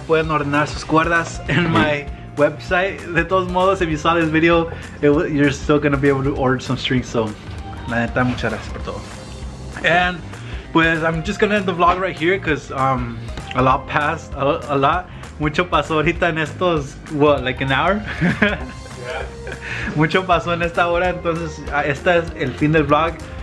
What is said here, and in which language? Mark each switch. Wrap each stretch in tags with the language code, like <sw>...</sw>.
<es>pueden ordenar sus cuerdas en</es> <en>my website.</en> <es>De todos modos,</es> <en>if you saw this video, you're still gonna be able to order some strings. So,</en> <es>la neta, muchas gracias por todo.</es> <en>And, pues, I'm just gonna end the vlog right here because A lot passed, a lot.</en> <es>Mucho pasó ahorita en estos,</es> <en>what, like an hour?</en> <es>Mucho pasó en esta hora, entonces este es el fin del vlog.</es>